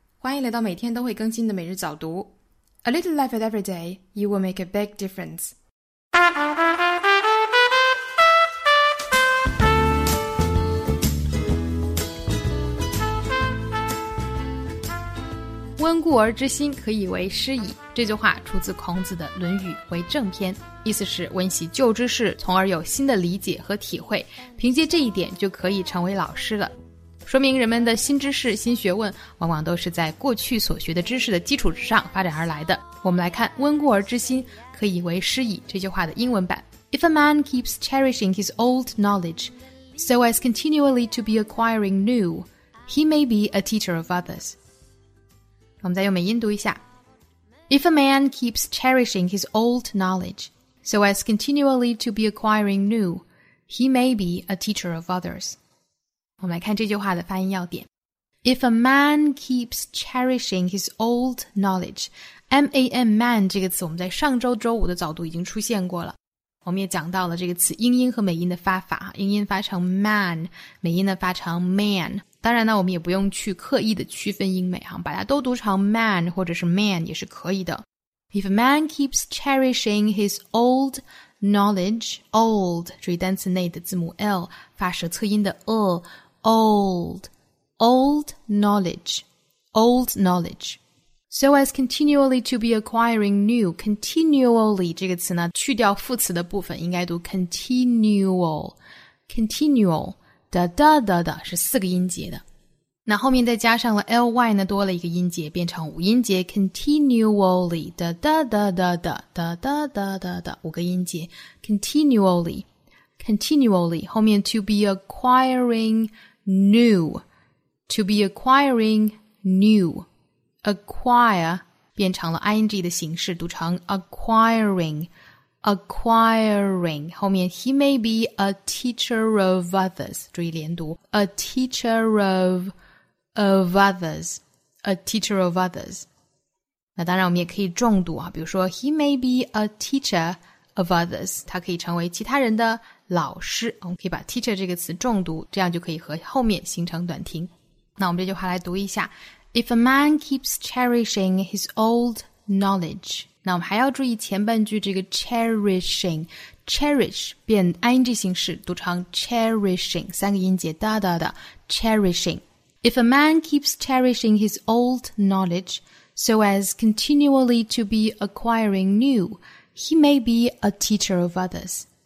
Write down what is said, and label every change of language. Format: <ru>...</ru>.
<zh>欢迎来到每天都会更新的每日早读。</zh> <en>A little life at every day, you will make a big difference.</en> <zh>温故而知新，可以为师矣。这句话出自孔子的《论语为政篇》，意思是温习旧知识，从而有新的理解和体会，凭借这一点就可以成为老师了。说明人们的新知识、新学问，往往都是在过去所学的知识的基础之上发展而来的。我们来看“温故而知新，可以为师矣”这句话的英文版。</zh> <en>If a man keeps cherishing his old knowledge, so as continually to be acquiring new, he may be a teacher of others.</en> <zh>我们再用美音读一下。</zh> <en>If a man keeps cherishing his old knowledge, so as continually to be acquiring new, he may be a teacher of others.</en> <zh>我们来看这句话的发音要点。</zh> <en>If a man keeps cherishing his old knowledge, M-A-N, man</en> <zh>这个词我们在上周周五的早读已经出现过了。我们也讲到了这个词英音和美音的发法，英音发成 man, 美音的发成 man。当然呢，我们也不用去刻意的区分英美，把它都读成 man 或者是 man 也是可以的。</zh> <en>If a man keeps cherishing his old knowledge, old,</en> <zh>注意单词内的字母</zh> <en>L, 发舌侧音的 e,Old knowledge. So as continually to be acquiring new.</en> <zh>Continually 这个词呢，去掉副词的部分，应该读 continual.</zh> <en>Continual.</en> <zh>哒哒哒哒是四个音节的。那后面再加上了 ly 呢，多了一个音节，变成五音节 continually. 哒哒哒哒哒哒哒哒哒哒五个音节 continually.</zh> <en>Continually, 后面 to be acquiring new, to be acquiring new, acquire,</en> <zh>变成了</zh> <en>ing 的形式，读成 acquiring, acquiring, 后面 he may be a teacher of others,</en> <zh>注意连读</zh> <en>a teacher of others, a teacher of others.</en> <zh>那当然我们也可以重读啊，比如说</zh> <en>he may be a teacher of others,</en> <zh>他可以成为其他人的老师，我们可以把 teacher 这个词重读，这样就可以和后面形成短停。那我们这句话来读一下</zh> <en>If a man keeps cherishing his old knowledge</en> <zh>那我们还要注意前半句这个</zh> <en>cherishing cherish 变 ing 形式读成 cherishing</en> <zh>三个音节哒哒哒</zh> <en>cherishing If a man keeps cherishing his old knowledge so as continually to be acquiring new he may be a teacher of others</en>